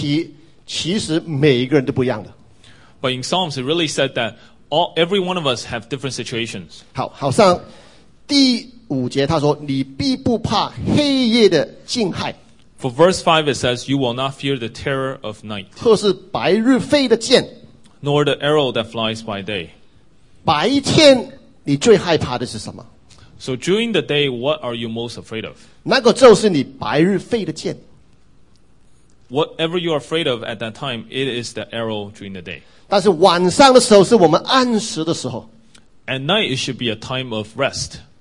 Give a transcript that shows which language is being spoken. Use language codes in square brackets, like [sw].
[zh] 但是里面这个诗篇里面讲到，每一件的问题，其实每一个人都不一样的。But [en] in Psalms, it really said that every one of us have different situations. [zh] 好像第五节他说，你必不怕黑夜的惊骇。 [en] For verse 5 it says, You will not fear the terror of night, [zh] 特是白日飞的箭, [en] nor the arrow that flies by day. [zh] 白天你最害怕的是什么? [en] So during the day, what are you most afraid of? [zh] 那个就是你白日飞的箭。 [en] Whatever you are afraid of at that time, it is the arrow during the day. [zh] 但是晚上的时候是我们安时的时候。 [en] At night, it should be a time of rest.